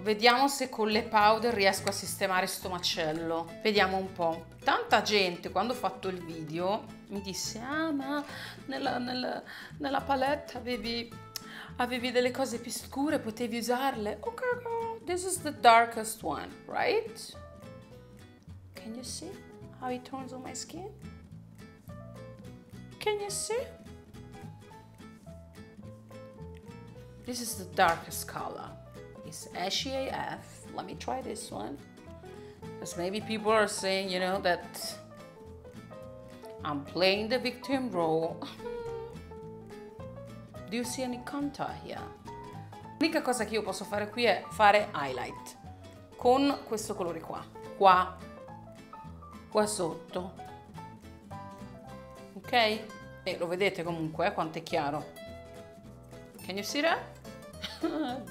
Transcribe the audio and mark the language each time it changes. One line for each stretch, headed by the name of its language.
Italian: Vediamo se con le powder riesco a sistemare sto macello. Vediamo un po'. Tanta gente, quando ho fatto il video, mi disse: ah, ma nella palette avevi delle cose più scure, potevi usarle.
English: Ok, this is the darkest one, right? Can you see how it turns on my skin? Can you see? This is the darkest color. It's ashy AF. Let me try this one. Because maybe people are saying, you know, that I'm playing the victim role. Do you see any contour here?
Italian: L'unica cosa che io posso fare qui è fare highlight con questo colore qua. Qua sotto, ok? E lo vedete comunque quanto è chiaro.
English: Can you see that?